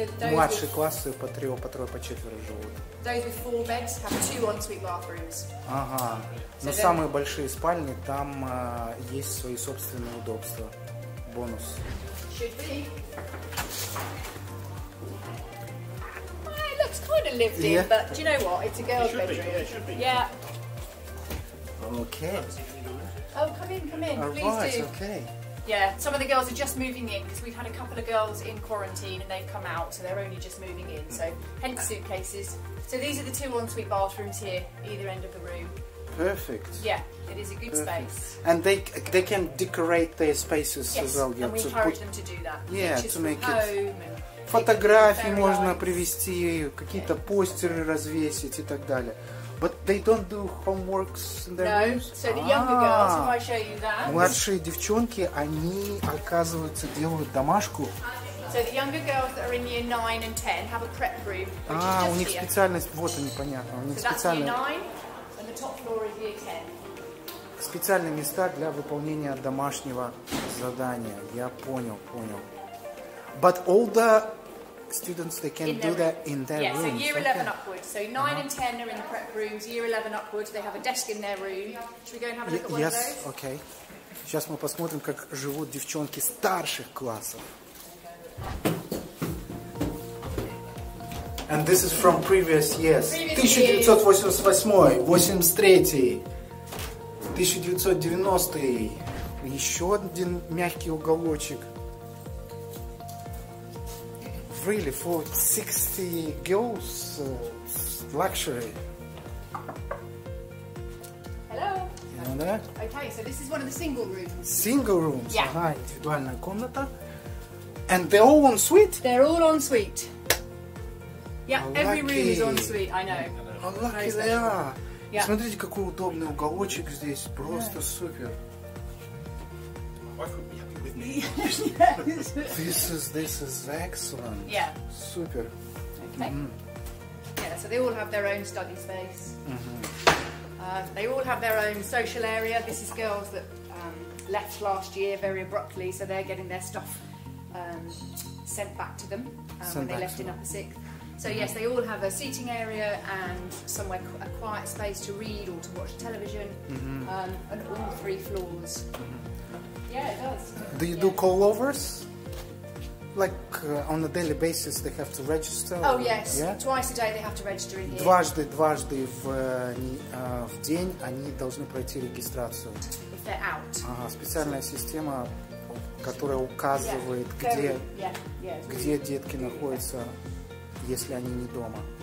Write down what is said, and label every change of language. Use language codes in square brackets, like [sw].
[ru] Младшие классы по три, по трое, по четверо живут. [en] Those with four beds have two ensuite bathrooms. [ru] Ага, но самые большие спальни, там есть свои собственные удобства. Бонус. [en] Should be. Well, it looks kind of lived in, but do you know what? It's a girl's bedroom. Yeah. Okay. Oh, come in, please right, do. Okay. Yeah, some of the girls are just moving in because we've had a couple of girls in quarantine and they've come out, so they're only just moving in. So, hence suitcases. So these are the two ensuite bathrooms here, either end of the room. Perfect. Yeah. It is a good space. And they can decorate their spaces yes, as well. Yes, and we encourage them to do that. Yeah, to make it... [ru] Фотографии можно привезти, какие-то постеры развесить и так далее. [en] But they don't do homeworks in their rooms? No, so the younger girls, if I show you that... [ru] Младшие девчонки, они, оказывается, делают домашку [en] So the younger girls that are in year 9 and 10 have a prep group, which is just [ru] у них [en] here. [ru] Специальность, вот они, понятно. [en] So [ru] специальные... [en] that's year 9, and the top floor is year 10. [ru] Специальные места для выполнения домашнего задания. Я понял, понял. [en] But all the students, they can do that in their rooms. so year 11 upwards. So 9 and 10 are in the prep rooms. Year 11 upwards, they have a desk in their room. Should we go and have a look at one of those? Yes, okay. [ru] Сейчас мы посмотрим, как живут девчонки старших классов. [en] And this is from previous years. 1988, 83, 1990. [ru] Еще один мягкий уголочек. [en] Really, for 60 girls, luxury. Okay, so this is one of the single rooms. Single rooms? Yeah. Ага, [ru] индивидуальная комната. [en] And they're all en suite? They're all en suite. Yeah, every room is en suite, I know. How lucky they are. Yeah. [ru] Смотрите, какой удобный уголочек здесь. Просто супер. [en] This is excellent. Yeah. [ru] Супер. [en] Okay. Mm-hmm. Yeah, so they all have their own study space. Mm-hmm. They all have their own social area. This is girls that left last year very abruptly, so they're getting their stuff sent back to them when they left in upper sixth. So yes, they all have a seating area and somewhere a quiet space to read or to watch television, and all three floors. Mm-hmm. Yeah, it does. Do you do callovers? Like on a daily basis they have to register? Oh yes, yeah? Twice a day they have to register in here. [ru] Дважды в день они должны пройти регистрацию. [en] If they're out. [ru] Ага, специальная система, которая указывает, где детки находятся, если они не дома.